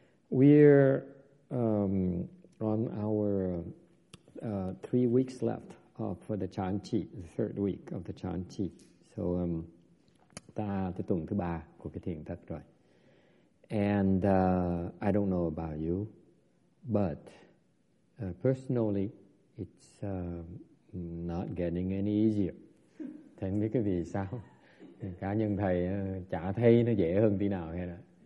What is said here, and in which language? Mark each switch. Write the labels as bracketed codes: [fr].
[en] We're on our 3 weeks left for the Chan Chi, the third week of the Chan Chi. [vi] So, ta tới tuần thứ ba của cái thiền thất rồi. [en] And I don't know about you, but personally, it's not getting any easier. [vi] Thầy biết cái vì sao? Cá nhân thầy chả thấy nó dễ hơn tí nào hết.